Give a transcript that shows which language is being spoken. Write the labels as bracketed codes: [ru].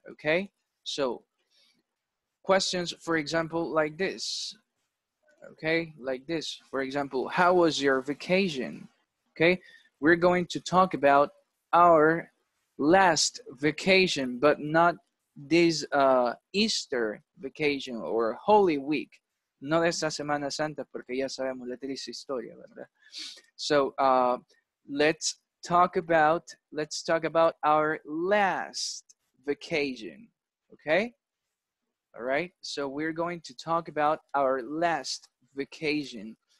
[en] Okay, so questions, for example, like this. Okay, like this, for example, how was your vacation? Okay, we're going to talk about our last vacation, but not this Easter vacation or Holy Week. [es] No de esta Semana Santa, porque ya sabemos la triste historia, ¿verdad? [en] So let's talk about our last vacation, okay? All right, so we're going to talk about our last vacation.